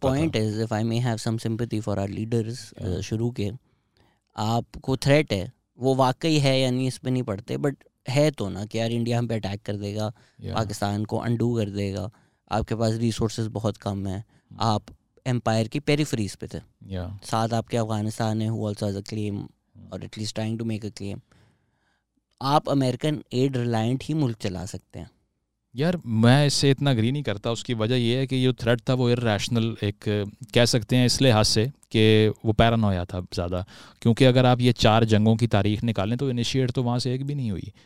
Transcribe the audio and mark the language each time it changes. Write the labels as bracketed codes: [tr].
[en] point is, if I may have some sympathy for our leaders, [ur] شروع کے آپ کو تھریٹ ہے وہ واقعی ہے یا نہیں اس پہ نہیں پڑھتے, بٹ ہے تو نا کہ یار انڈیا ہم پہ اٹیک کر دے گا, پاکستان کو انڈو کر دے گا, آپ کے پاس ریسورسز بہت کم ہیں, آپ امپائر کی پیریفریز پہ تھے. [en] Yeah. [ur] ساتھ آپ کے افغانستان ہے, [en] who also has a claim, [ur] or at least trying to make a claim. آپ امریکن ایڈ ریلائنٹ ہی ملک چلا سکتے ہیں. یار میں اس سے اتنا اگری نہیں کرتا, اس کی وجہ یہ ہے کہ یہ تھریٹ تھا وہ ایر ریشنل, ایک کہہ سکتے ہیں اس لحاظ سے کہ وہ پیرانویا تھا زیادہ, کیونکہ اگر آپ یہ چار جنگوں کی تاریخ نکالیں تو انیشیٹ تو وہاں سے ایک بھی نہیں ہوئی.